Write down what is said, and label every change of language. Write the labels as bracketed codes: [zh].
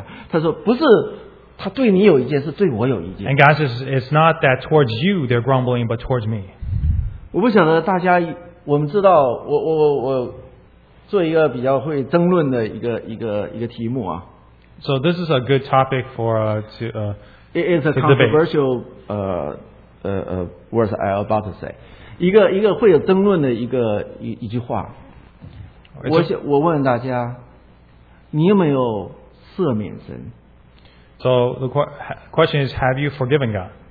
[zh] 他说不是, 他对你有一件, 是对我有一件。 [en] And God says, it's not that towards you they're grumbling, but towards me. [zh] 我不晓得大家, 我们知道, 我, 做一个比较会争论的一个题目啊。 [en] So this is a good topic for to it is a controversial words I about to say. [zh] 一个会有争论的一句话。我问大家, 你有没有赦免神? [en] So the question is, have you forgiven God?